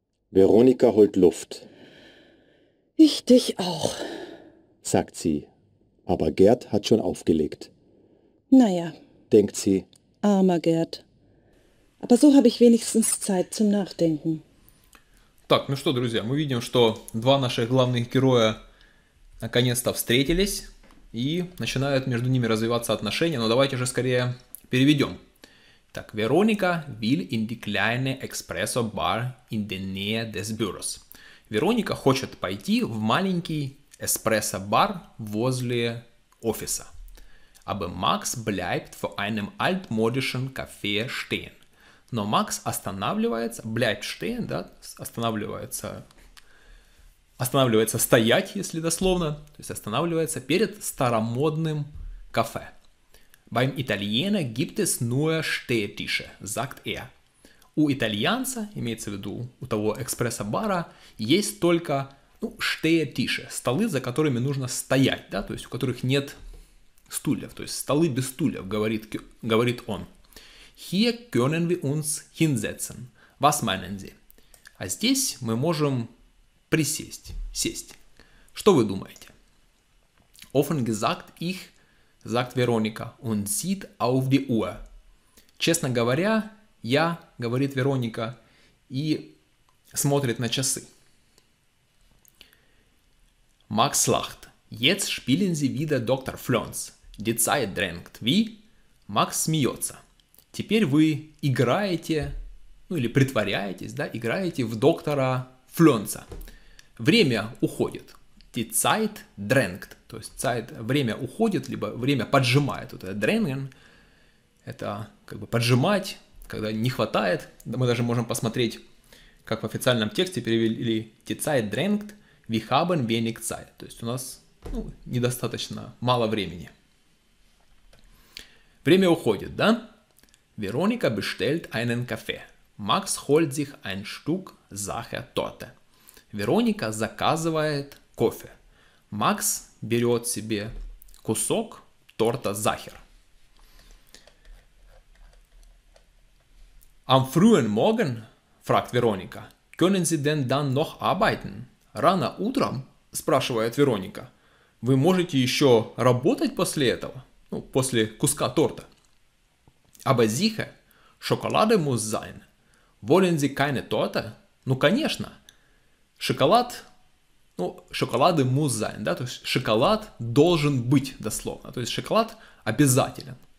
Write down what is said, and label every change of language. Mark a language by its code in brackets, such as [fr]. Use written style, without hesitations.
[de] Veronika holt Luft. Ich dich auch, sagt sie. Aber Gerd hat schon aufgelegt. Naja, denkt sie. Armer Gerd. Aber so habe ich wenigstens Zeit zum Nachdenken. [ru] Так, ну что, друзья, мы видим, что два наших главных героя наконец-то встретились и начинают между ними развиваться отношения, но давайте же скорее переведем. [de] Так, Вероника will in die kleine Espresso Bar in der Nähe des Büros. [ru] Вероника хочет пойти в маленький Espresso-Bar возле офиса. [de] Aber Max bleibt vor einem altmodischen Café stehen. [ru] Но Max останавливается, [de] bleibt stehen, [ru] да, останавливается стоять, если дословно, то есть останавливается перед старомодным кафе. [de] Beim Italiener gibt es nur Stehtische, sagt er. [ru] У итальянца, имеется в виду у того Espresso-Bara, есть только ну, Stehtische, столы, за которыми нужно стоять, да, то есть у которых нет стульев, то есть столы без стульев, говорит он. [de] Hier können wir uns hinsetzen. Was meinen Sie? [ru] А здесь мы можем сесть. Что вы думаете? [de] Offen gesagt, ich, sagt Veronika, und sieht auf die Uhr. [ru] Честно говоря, я, говорит Вероника, и смотрит на часы. [de] Max lacht. Jetzt spielen sie wieder Dr. Flöns. Die Zeit drängt. Wie? [ru] Max смеется. Теперь вы играете, ну или притворяетесь, да, играете в доктора Флёнца. Время уходит. [de] Die Zeit drängt. [ru] То есть Zeit, время уходит, либо время поджимает. Вот это drängen, это как бы поджимать, когда не хватает. Мы даже можем посмотреть, как в официальном тексте перевели [de] die Zeit drängt. Wir haben wenig Zeit. [ru] То есть у нас ну, недостаточно, мало времени. Время уходит, да? [de] Вероника bestellt einen кафе. Max holt sich ein Stück Sachertorte. [ru] Вероника заказывает кофе. Max берет себе кусок торта Sacher. [de] Am frühen Morgen, fragt Вероника, können Sie denn dann noch arbeiten? [ru] Рано утром, спрашивает Вероника, вы можете еще работать после этого? Ну, после куска торта. [de] Aber sicher, Schokolade muss sein. Wollen Sie keine Torte? [ru] Ну, конечно. Шоколад, ну, [de] Schokolade muss sein, [ru] да, то есть шоколад должен быть, дословно. То есть шоколад обязателен.